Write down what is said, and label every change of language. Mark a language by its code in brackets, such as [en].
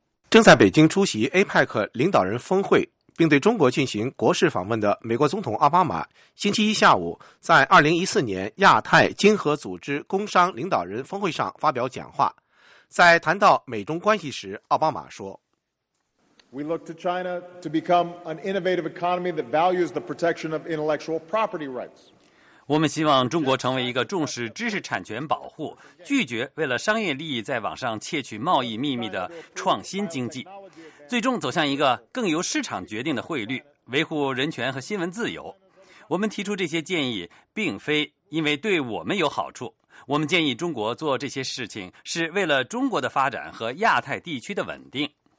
[zh] 正在北京出席 APEC 领导人峰会并对中国进行国事访问的美国总统奥巴马，星期一下午在2014年亚太经合组织工商领导人峰会上发表讲话。在谈到美中关系时，奥巴马说， [en] We look to China to become an innovative economy that values the protection of intellectual property rights. [zh] 我们希望中国成为一个重视知识产权保护，拒绝为了商业利益在网上窃取贸易秘密的创新经济，最终走向一个更由市场决定的汇率，维护人权和新闻自由。我们提出这些建议并非因为对我们有好处，我们建议中国做这些事情是为了中国的发展和亚太地区的稳定。